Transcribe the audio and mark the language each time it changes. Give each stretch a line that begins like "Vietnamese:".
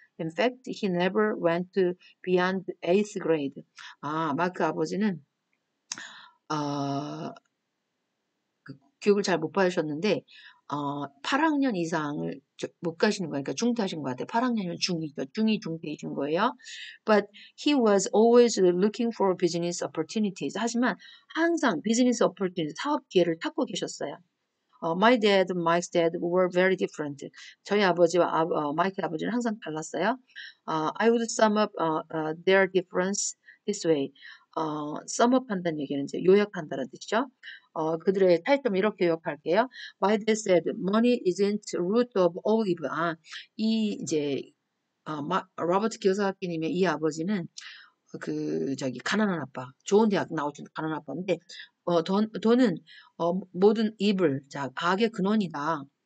English: In fact, he never went beyond eighth grade.
Korean: 마크 아버지는 교육을 잘못 받으셨는데 8학년 이상을 못 가시는 거니까 중퇴하신 것 같아요. 8학년이면 중이죠. 중이 중퇴이신 거예요.
English: But he was always looking for business opportunities.
Korean: 하지만 항상
English: business opportunities,
Korean: 사업 기회를 찾고 계셨어요.
English: My dad, Mike's dad were very different.
Korean: 저희 아버지와 마이크 아버지는 항상 달랐어요.
English: I would sum up their difference this way.
Korean: Sum up 한다는 얘기는 이제 요약한다는 뜻이죠. 그들의 차이점 이렇게 요약할게요.
English: My dad said, money isn't root of all evil.
Korean: 로버트 키오사키님의 이 아버지는 가난한 아빠, 좋은 대학 나오신 가난한 아빠인데, 돈은 모든 evil, 악의 근원이다.